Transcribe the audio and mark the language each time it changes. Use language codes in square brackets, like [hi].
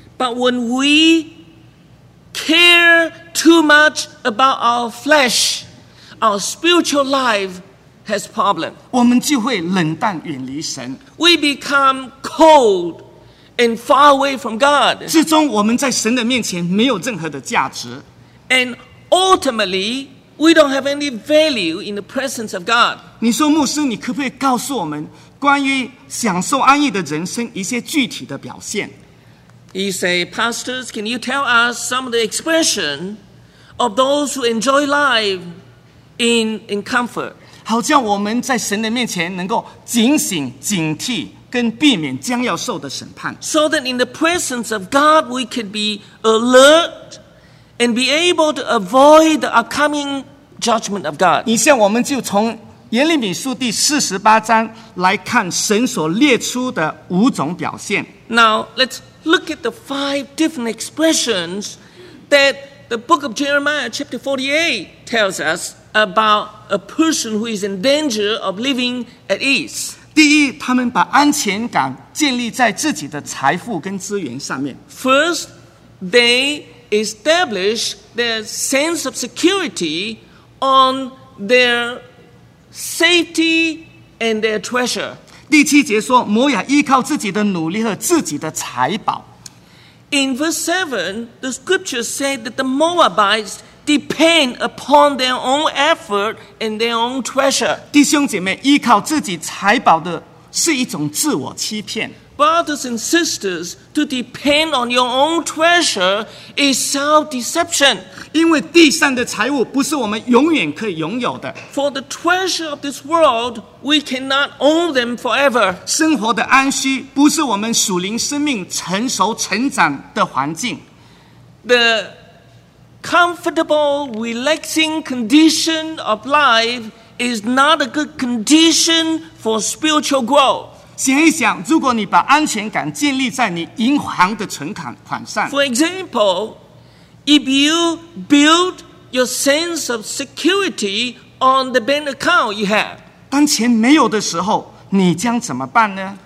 [en] But when we care too much about our flesh, our spiritual life has problem. [zh] 我们就会冷淡远离神。 [en] We become cold and far away from God. [zh] 最终我们在神的面前没有任何的价值。 [en] And ultimately, we don't have any value in the presence of God. [zh] 你说牧师，你可不可以告诉我们关于享受安逸的人生一些具体的表现？ [en] He said, Pastors, can you tell us some of the expression of those who enjoy life in comfort? [zh] 好像我们在神的面前能够警醒、警惕跟避免将要受的审判。 [en] So that in the presence of God, we can be alert and be able to avoid the upcoming judgment of God. [zh] 以下我们就从耶利米书第四十八章来看神所列出的五种表现。 [en] Now, let's look at the five different expressions that the book of Jeremiah chapter 48 tells us about a person who is in danger of living at ease. [zh] 第一，他们把安全感建立在自己的财富跟资源上面。 [en] First, they establish their sense of security on theirSafety and their treasure. [zh] 第七节说，摩亚依靠自己的努力和自己的财宝。 [en] In verse 7, the scripture said that the Moabites depend upon their own effort and their own treasure. [zh] 弟兄姐妹，依靠自己财宝的是一种自我欺骗。 [en] Brothers and sisters, to depend on your own treasure is self-deception. [zh] 因为地上的财物不是我们永远可以拥有的。 [en] For the treasure of this world, we cannot own them forever. [zh] 生活的安息不是我们属灵生命成熟成长的环境。 [en] The comfortable, relaxing condition of life is not a good condition for spiritual growth. [zh] 想一想，如果你把安全感建立在你银行的存款上。 [en] For example, if you build your sense of security on the bank account you have, [zh] 当钱没有的时候，你将怎么办呢？